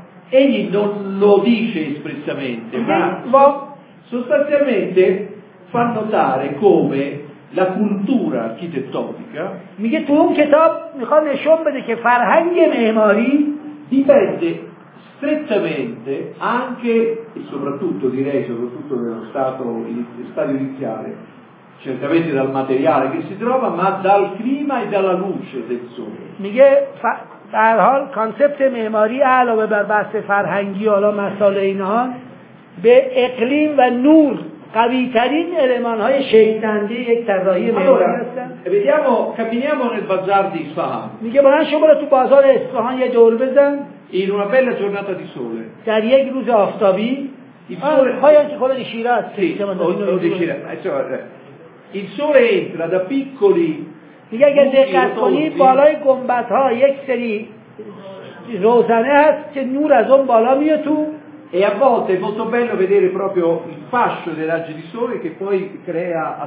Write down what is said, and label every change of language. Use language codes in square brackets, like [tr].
[it] Egli non lo dice espressamente, ma sostanzialmente fa notare come la cultura architettonica, [fa] میگه تو اون کتاب میخواد نشون بده که فرهنگ معماری [it] dipende strettamente anche e soprattutto direi soprattutto nello stato iniziale, certamente dal materiale che si trova, ma dal clima e dalla luce del sole. [fa] میگه در حال کانسپت معماری علاوه بر بحث فرهنگی حالا مثال اینها به اقلیم و نور قوی ترین المان های شیطنده یک طراحی معماری هستن. [it] vediamo capiamo nel bazar di Isfahan. [fa] میگه بران شما تو بازار اصفهان یه دور بزن. [it] In una bella giornata di sole. [fa] در یک روز آفتابی. [it] Poi anche quella di Shiraz. Sì, o di Shiraz. Il sole entra da piccoli. [fa] میگه اگر دقت کنی بالای گنبت ها یک سری روزنه هست که نور از اون بالا میاد تو. [it] E a volte è molto bello vedere proprio il fascio dei raggi di sole che poi crea a